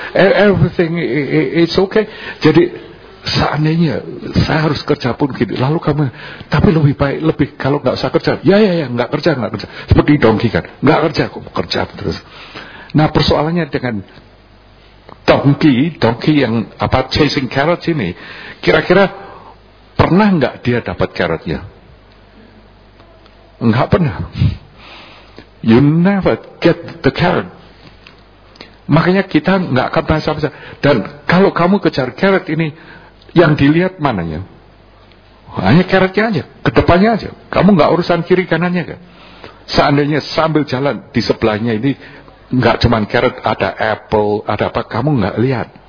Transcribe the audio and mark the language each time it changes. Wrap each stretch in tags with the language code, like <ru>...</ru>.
<en>Everything it's okay.</en> <id>Jadi seandainya saya harus kerja pun gitu, lalu kamu tapi lebih baik lebih kalau enggak usah kerja. Ya, enggak kerja. Seperti donkey kan, enggak kerja kok kerja terus. Nah, persoalannya dengan donkey yang apa</id> <en>chasing carrots</en> <id>ini, kira-kira pernah enggak dia dapat carrotnya? Enggak pernah.</id> <en>You never get the carrot.</en> <id>Makanya kita enggak akan bahasa-bahasa. Dan kalau kamu kejar carrot ini, yang dilihat mananya? Hanya carrotnya aja, kedepannya aja. Kamu enggak urusan kiri kanannya kan? Seandainya sambil jalan di sebelahnya ini, enggak cuma carrot, ada apple, ada apa, kamu enggak lihat.</id>